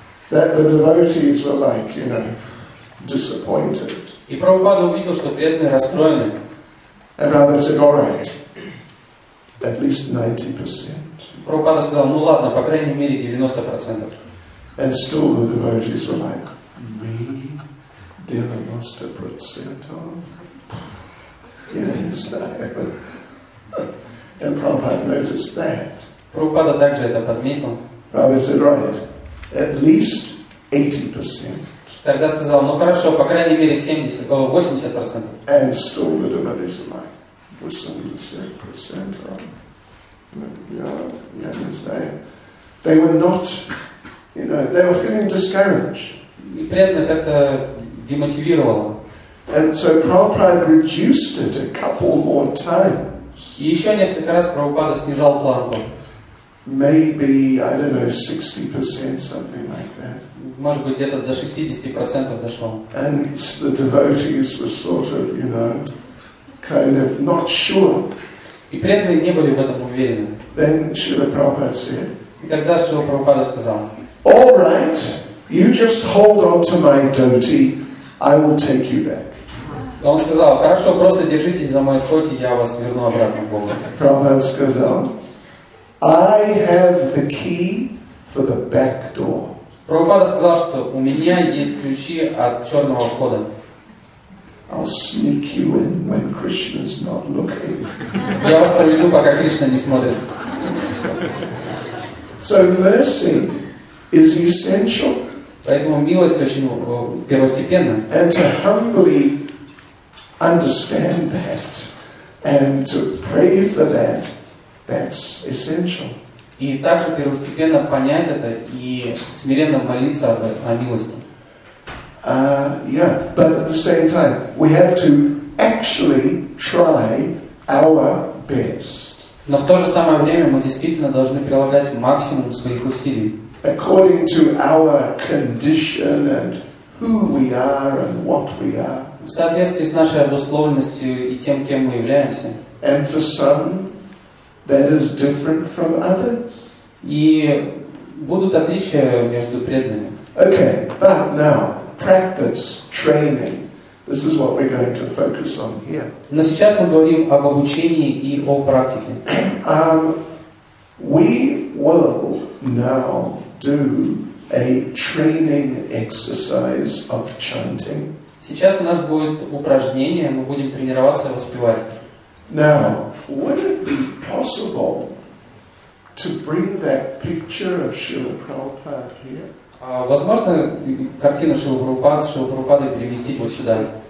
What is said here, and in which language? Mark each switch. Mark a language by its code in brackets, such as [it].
[en] That the devotees were like, you know, disappointed. [ru] И Прабхупада увидел, что преданные расстроены. [en] And Prabhupada said, all right, at least 90%. [ru] Прабхупада сказал, ну ладно, по крайней мере 90%. [en] And still the devotees were like, me? 90% of? Yes, and Prabhupada noticed that. [ru] Прабхупада также это подметил. [en] Prabhupada said, right, at least 80%. [ru] Тогда сказал, ну хорошо, по крайней мере 80%. [en] And still the devotees are like, for 70% of? Yeah, yes, they were not, you know, they were feeling discouraged. [ru] И преданных это демотивировало. [en] And so Prabhupada reduced it a couple more times. [ru] И еще несколько раз Прабхупада снижал планку. [en] Maybe, I don't know, 60%, something like that. [ru] Может быть, где-то до 60% дошло. [en] And the devotees were sort of, you know, kind of not sure. [ru] И преданные не были в этом уверены. [en] Then Srila Prabhupada said, [ru] и тогда Srila Prabhupada сказал, [en] all right, you just hold on to my dhoti, I will take you back. [ru] Он сказал, хорошо, просто держитесь за мой дхоти, я вас верну обратно к Богу. Прабхупада сказал, [en] I have the key for the back door. [ru] Прабхупада сказал, что у меня есть ключи от черного входа. [en] I'll sneak you in when Krishna's not looking. [ru] Я вас проведу, пока Кришна не смотрит. [en] So mercy is essential. [ru] Поэтому милость очень первостепенна. [en] And to humbly understand that and to pray for that, that's essential. [ru] И также первостепенно понять это и смиренно молиться о милости. [en] Yeah, but at the same time, we have to actually try our best. [ru] Но в то же самое время мы действительно должны прилагать максимум своих усилий. [en] According to our condition and who we are and what we are. [ru] В соответствии с нашей обусловленностью и тем, кем мы являемся. [en] And for some, that is different from others. [ru] И будут отличия между преданными. [en] Okay, but now practice, training. This is what we're going to focus on here. [ru] Но сейчас мы говорим об обучении и о практике. [en] We will now do a training exercise of chanting. [ru] Сейчас у нас будет упражнение, мы будем тренироваться воспевать. [en] Now, would it be possible to bring that picture of Srila Prabhupada here? [ru] Возможно, картину Шрилы Прабхупады переместить вот сюда?